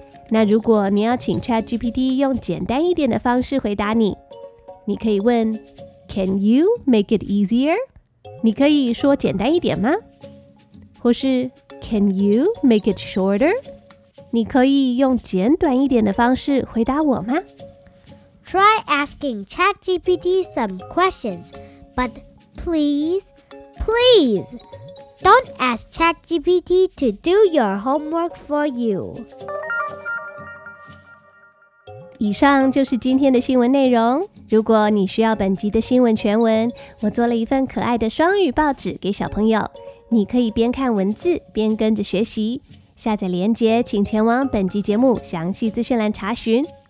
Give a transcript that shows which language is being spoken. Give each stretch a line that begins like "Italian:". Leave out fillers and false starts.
Chinese: 那如果你要请 ChatGPT 用简单一点的方式回答你，你可以问 ，
English: Can you make it easier?
Chinese: 你可以说简单一点吗？或是
English: Can you make it shorter?
Chinese: 你可以用简短一点的方式回答我吗？
English: Try asking ChatGPT some questions, but please, please, don't ask ChatGPT to do your homework for you.
Chinese: 以上就是今天的新闻内容。如果你需要本集的新闻全文，我做了一份可爱的双语报纸给小朋友，你可以边看文字边跟着学习。下载连结，请前往本集节目详细资讯栏查询。